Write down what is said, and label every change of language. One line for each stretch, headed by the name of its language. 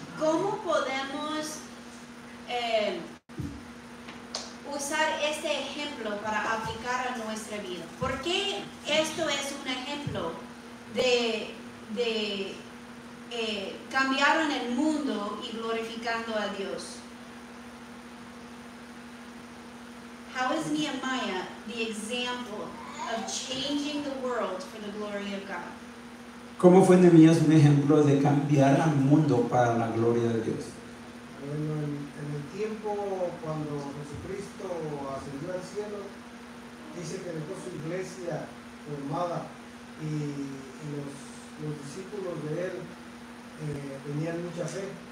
Spanish: ¿Cómo podemos usar este ejemplo para aplicar a nuestra vida? ¿Por qué esto es un ejemplo de cambiar en el mundo y glorificando a Dios?
English: How is Nehemiah the example of changing the world for the glory of God?
Spanish: ¿Cómo fue Nehemías un ejemplo de cambiar al mundo para la gloria de Dios? Bueno, en el tiempo cuando Jesucristo ascendió al cielo, dice que dejó su iglesia formada y los discípulos de él tenían mucha fe.